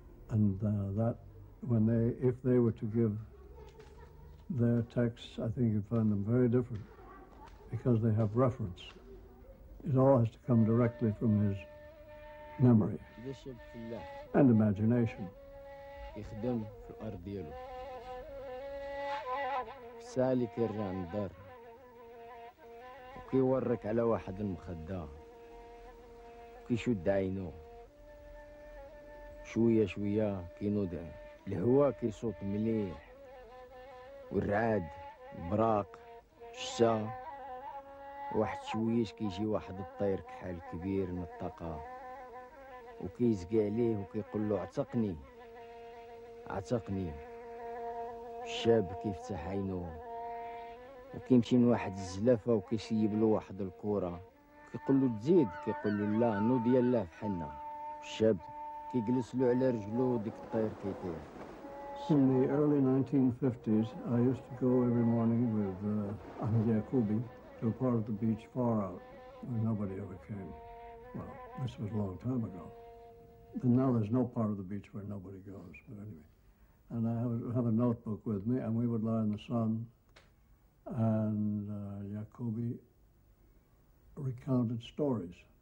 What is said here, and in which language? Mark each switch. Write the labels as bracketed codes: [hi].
[en] And that, when they, if they were to give their texts, I think you'd find them very different because they have reference. It all has to come directly from his memory and imagination. [ar] يخدم في الأرض ديالو سالي كيرجع للدار وكيورك على واحد المخدة وكيشد عينو شوية شوية كينود الهواء كيصوت مليح والرعاد براق الشتا واحد شويش كيجي واحد الطير كحال كبير من الطاقة وكيزقي عليه وكيقول له اعتقني اعتقني الشاب كيفتح عينو وكيمشي لواحد الزلافة وكيسيب له واحد الكورة كيقول له تزيد كيقول له لا نود يلا في حنا الشاب كيجلس له على رجلو ديك الطير كيطير. [en] In the early 1950s I used to go every morning with Ahmed Yacoubi to a part of the beach far out where nobody ever came. Well, this was a long time ago. And now there's no part of the beach where nobody goes, but anyway. And I have a notebook with me, and we would lie in the sun, and Yacoubi recounted stories.